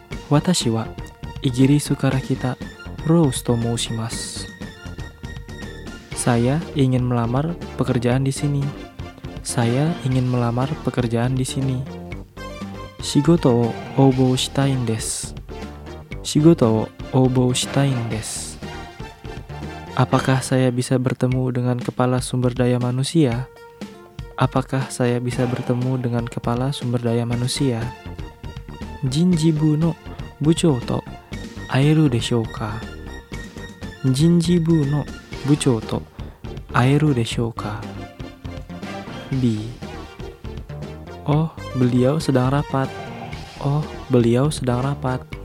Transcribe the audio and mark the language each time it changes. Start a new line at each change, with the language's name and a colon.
Japanese: 私はイギリスから来たローズと申します。
Indonesian: Saya ingin melamar pekerjaan di sini. Saya ingin melamar pekerjaan di sini.
Japanese: 仕事を応募したいんです。仕事を応募したいんです。
Indonesian: Apakah saya bisa bertemu dengan kepala sumber daya manusia? Apakah saya bisa bertemu dengan kepala sumber daya manusia?
Japanese: 人事部の部長と会えるでしょうか？人事部の部長と会えるでしょうか ？B.
Indonesian: Oh, beliau sedang rapat. Oh, beliau sedang rapat.